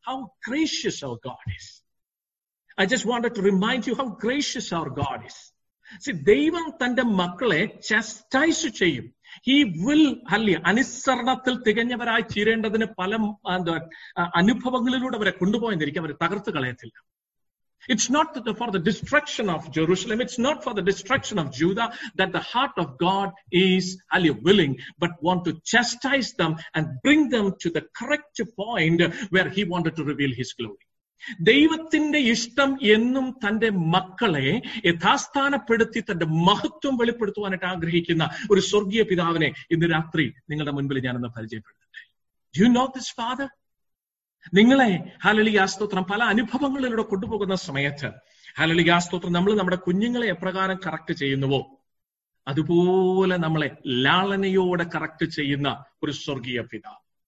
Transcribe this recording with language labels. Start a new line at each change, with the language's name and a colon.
English: How gracious our God is. I just wanted to remind you how gracious our God is.
Malayalam: See, ദൈവം തന്റെ മക്കളെ ചസ്റ്റൈസ് ചെയ്യും.
English: he will
Malayalam: hallelujah അനുസരണത്തിൽ തികഞ്ഞവരായി ചേരേണ്ടതിന് പല അനുഭവങ്ങളിലൂടെ അവരെ കൊണ്ടുപോയെന്നിരിക്കും, അവരെ തകർത്ത് കളയത്തില്ല.
English: It's not for the destruction of Jerusalem, it's not for the destruction of Judah that the heart of God is willing, but want to chastise them and bring them to the correct point where he wanted to reveal his glory.
Malayalam: ദൈവത്തിന്റെ ഇഷ്ടം എന്നും തന്റെ മക്കളെ യഥാസ്ഥാനപ്പെടുത്തി തന്റെ മഹത്വം വെളിപ്പെടുത്തുവാനായിട്ട് ആഗ്രഹിക്കുന്ന ഒരു സ്വർഗീയ പിതാവിനെ ഇന്ന് രാത്രി നിങ്ങളുടെ മുൻപിൽ ഞാനൊന്ന് പരിചയപ്പെടുത്തട്ടെ.
English: Do you know this father?
Malayalam: നിങ്ങളെ ഹല്ലേലൂയാസ്തോത്രം പല അനുഭവങ്ങളിലൂടെ കൊണ്ടുപോകുന്ന സമയത്ത് ഹല്ലേലൂയാസ്തോത്രം നമ്മൾ നമ്മുടെ കുഞ്ഞുങ്ങളെ എപ്രകാരം കറക്റ്റ് ചെയ്യുന്നുവോ അതുപോലെ നമ്മളെ ലാളനയോടെ കറക്റ്റ് ചെയ്യുന്ന ഒരു സ്വർഗീയ പിതാവ്.